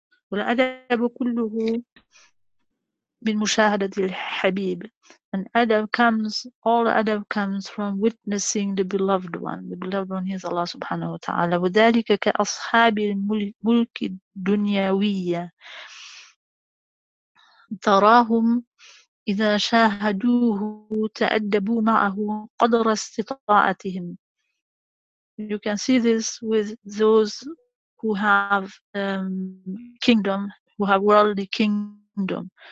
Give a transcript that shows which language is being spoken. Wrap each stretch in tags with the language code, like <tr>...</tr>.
<ar>والأدب كله من مشاهدة الحبيب.</ar> <en>And all adab comes from witnessing the beloved one. The beloved one is Allah subhanahu wa ta'ala.</en> <ar>وذلك كأصحاب الملك الدنيوية تراهم إذا شاهدوه تأدبوا معه قدر استطاعتهم.</ar> <en>You can see this with those who have kingdom, who have worldly kingdom.</en>